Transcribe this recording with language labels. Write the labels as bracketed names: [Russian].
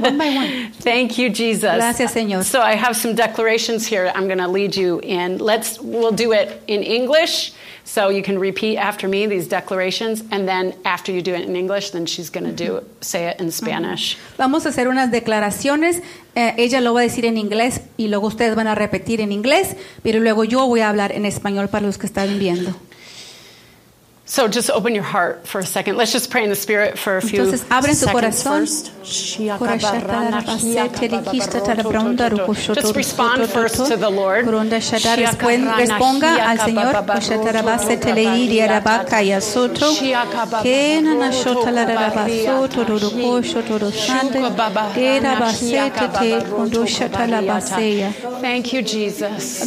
[English] One by one. Thank you, Jesus. [Spanish] Gracias, Señor. [English] So I have some declarations here I'm going to lead you in. We'll do it in English, so you can repeat after me these declarations, and then after you do it in English, then she's going to say it in Spanish. [Spanish] Vamos a hacer unas declaraciones. Ella lo va a decir en inglés, y luego ustedes van a repetir en inglés, pero luego yo voy a hablar en español para los que están viendo. [English] So just open your heart for a second. Let's just pray in the spirit for a few seconds first. Just respond first to the Lord. Thank you, Jesus.